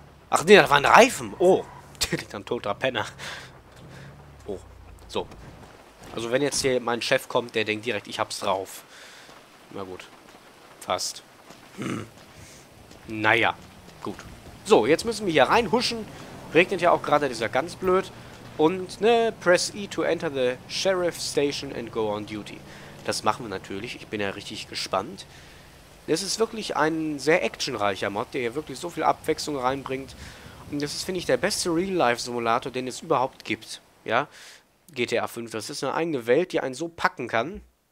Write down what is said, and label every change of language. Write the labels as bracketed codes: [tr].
[de] Ach nee, da war ein Reifen. Oh, der liegt da ein toter Penner. Oh, so. Also wenn jetzt hier mein Chef kommt, der denkt direkt, ich hab's drauf. Na gut. Fast. Hm. Naja, gut. So, jetzt müssen wir hier reinhuschen. Regnet ja auch gerade, das ist ja ganz blöd. Und, ne, [en] press E to enter the sheriff station and go on duty. [de] Das machen wir natürlich. Ich bin ja richtig gespannt. Das ist wirklich ein sehr actionreicher Mod, der hier wirklich so viel Abwechslung reinbringt. Und das ist, finde ich, der beste Real-Life-Simulator, den es überhaupt gibt. Ja, GTA 5, das ist eine eigene Welt, die einen so packen kann.